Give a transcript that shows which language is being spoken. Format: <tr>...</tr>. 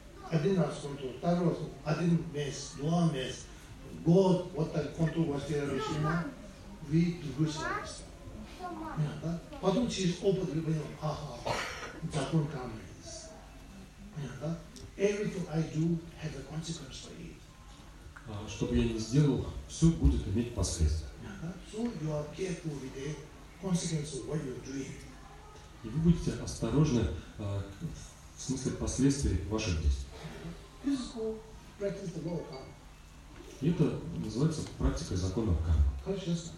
<ru>Один раз контроль, второй раз контроль, один месяц, два месяца, год, вот так контроль, вот тело, речь, ума, вы другой человек. Потом через опыт вы понимаете, ага, закон кармы есть.</ru> <en>Everything I do has a consequence for it.</en> <ru>Что бы я ни сделал, все будет иметь последствия.</ru> <en>So you are careful with the consequence of what you're doing.</en> <ru>И вы будете осторожны в смысле последствий ваших действий.</ru> <en>This is called practice the law of karma.</en> <ru>Это называется практика закона кармы.</ru>